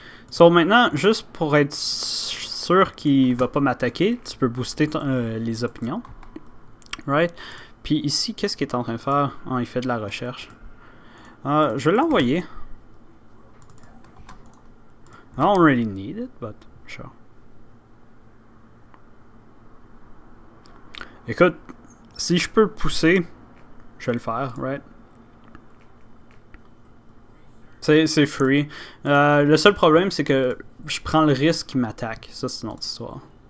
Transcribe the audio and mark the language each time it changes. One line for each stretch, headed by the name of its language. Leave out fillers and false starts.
French: So maintenant, juste pour être sûr qu'il va pas m'attaquer, tu peux booster les opinions. Right? Puis ici, qu'est-ce qu'il est en train de faire? Oh, il fait de la recherche. Je vais l'envoyer.
English: Don't really need it, but sure.
French: Écoute, si je peux pousser, je vais le faire, right? C'est free. Le seul problème, c'est que je prends le risque qu'il m'attaque. Ça, c'est une autre histoire.